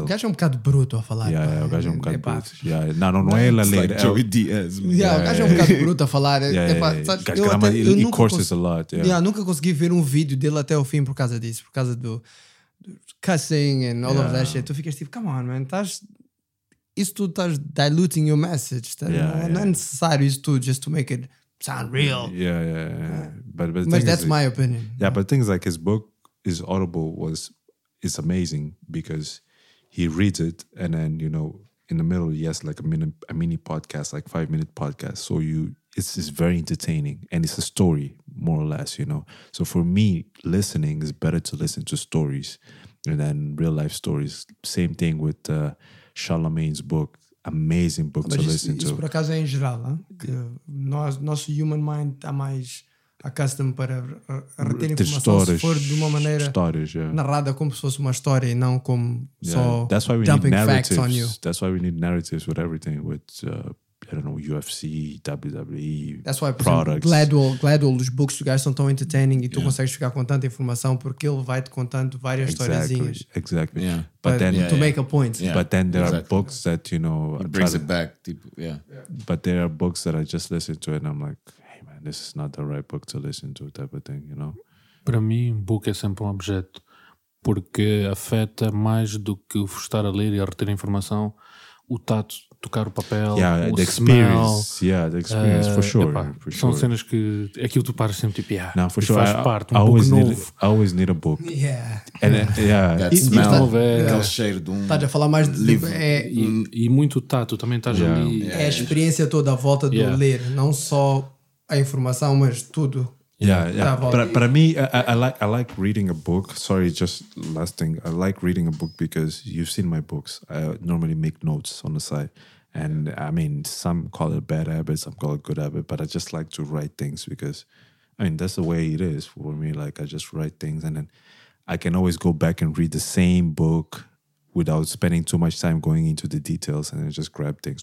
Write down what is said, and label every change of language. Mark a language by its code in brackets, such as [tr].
[pt] O gajo é um bocado bruto a falar. Yeah, o gajo é um bocado bruto. Não, é ele a ler. [en] It's like Joey Diaz. [pt] O gajo é um bocado bruto a falar. [en] He curses a lot. [pt] Yeah, nunca consegui ver um vídeo dele até o fim por causa disso. Por causa do [en] cussing and all of that shit. [pt] Tu ficas tipo, [en] come on, man. [pt] Estás... Isso tudo estás [en] diluting your message. [pt] Não é necessário isso tudo [en] just to make it sound real. But that's my opinion. Yeah, but things like his Audible is amazing because he reads it and then, you know, in the middle, he has like a mini podcast, like 5-minute podcast. So it's very entertaining and it's a story more or less, you know. So for me, listening is better to listen to stories and then real life stories. Same thing with... Charlemagne's book, amazing book to listen to. [pt] Por acaso é em geral, nosso human mind está mais accustomed para reter informação se for de uma maneira narrada como se fosse uma história e não como só [en] that's why we jumping need facts on you. That's why we need narratives with everything, with, I don't know, UFC, WWE, that's why, products. [pt] Gladwell, os books do gajo são tão entertaining e tu consegues ficar com tanta informação porque ele vai-te contando várias historiezinhas. [en] Exactly. Yeah. But then, make a point. Yeah. But then there are books that, you know... It brings it back. Tipo, yeah. But there are books that I just listen to and I'm like, hey man, this is not the right book to listen to, type of thing, you know? [pt] Para mim, um book é sempre um objeto porque afeta mais do que o estar a ler e a reter informação, o tato... Tocar o papel, [en] the experience. Yeah, the experience, for sure. Epa, for [pt] são [en] sure. [pt] Cenas que aquilo tu paras sempre tipo, yeah. [en] Não, for sure. [pt] Faz parte, um book novo. [en] I always need a book. Yeah. And then, yeah. That smell, [pt] cheiro de um. Estás a falar mais de livro. E muito tato também estás ali. É a experiência toda à volta do ler, não só a informação, mas tudo. Para mim, [en] I like reading a book. Sorry, just last thing. I like reading a book because you've seen my books. I normally make notes on the side. And I mean, some call it bad habit, some call it good habit, but I just like to write things because, I mean, that's the way it is for me. Like, I just write things and then I can always go back and read the same book without spending too much time going into the details and then just grab things.